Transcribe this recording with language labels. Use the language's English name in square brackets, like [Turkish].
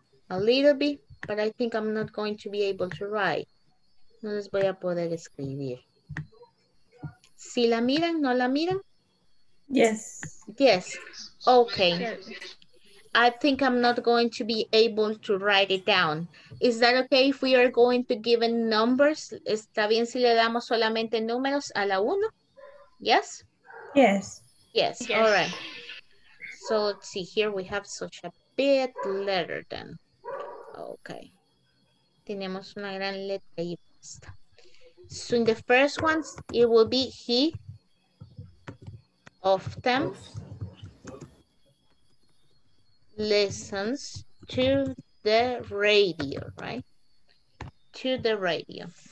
[English] A little bit, but I think I'm not going to be able to write. [Spanish] No les voy a poder escribir. ¿Si la miran? ¿No la miran? [English] Yes. Yes. Okay. Yes. I think I'm not going to be able to write it down. Is that okay if we are going to give it numbers? [Spanish] ¿Está bien si le damos solamente números a la uno? [English] Yes? Yes. Yes. Yes. All right. So let's see. Here we have such a bit letter then. Okay. [Spanish] Tenemos una gran letra ahí. [English] So in the first ones, it will be he often listens to the radio, right? To the radio.